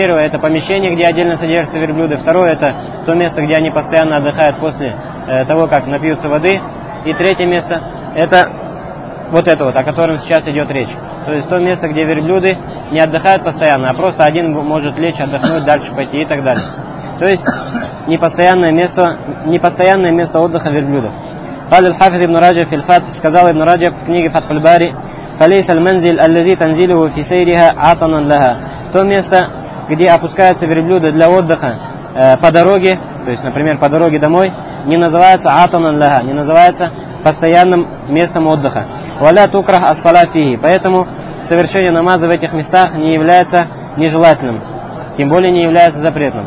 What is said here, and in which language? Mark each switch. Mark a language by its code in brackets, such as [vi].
[ru] Первое — это помещение, где отдельно содержатся верблюды. Второе — это то место, где они постоянно отдыхают после того, как напьются воды. И третье место — это вот это вот, о котором сейчас идет речь. То есть то место, где верблюды не отдыхают постоянно, а просто один может лечь, отдохнуть, дальше пойти и так далее. То есть непостоянное место отдыха верблюдов. [ar] قال الحافظ ابن رجب في الفتح, [ru] сказал [ar] ابن رجب [ru] в книге Фатх аль-Бари, [ar] فليس المنزل الذي تنزله في سيرها عطنا لها. [ru] То место, где опускаются верблюды для отдыха по дороге, то есть, например, по дороге домой, не называется [ar] عطنا لها, [ru] не называется постоянным местом отдыха. [ar] ولا تكره الصلاة فيه. [ru] Поэтому совершение намаза в этих местах не является нежелательным, тем более не является запретным.